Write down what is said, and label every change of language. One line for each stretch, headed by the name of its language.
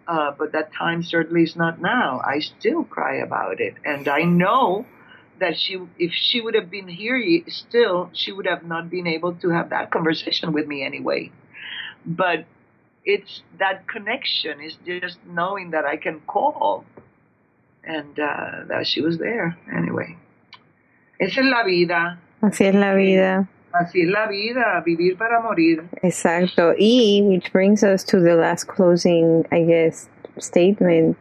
English: But that time certainly is not now. I still cry about it, and I know that if she would have been here, still she would have not been able to have that conversation with me anyway. But it's that connection, is just knowing that I can call. And that she was there anyway.
Spanish: Esa es la vida. Así es la vida. Así es la vida, vivir para morir. Exacto. Y
English: which brings us to the last closing, I guess, statement.